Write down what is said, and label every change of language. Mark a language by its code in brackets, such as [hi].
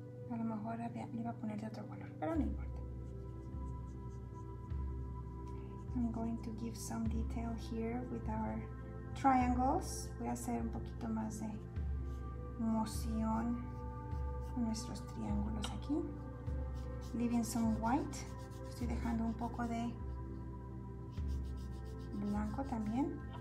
[es] A lo mejor había, le iba a poner de otro color, pero no importa. [en] I'm going to give some detail here with our triangles. [es] Voy a hacer un poquito más de moción con nuestros triángulos aquí. [en] leaving some white. [es] Estoy dejando un poco de blanco también.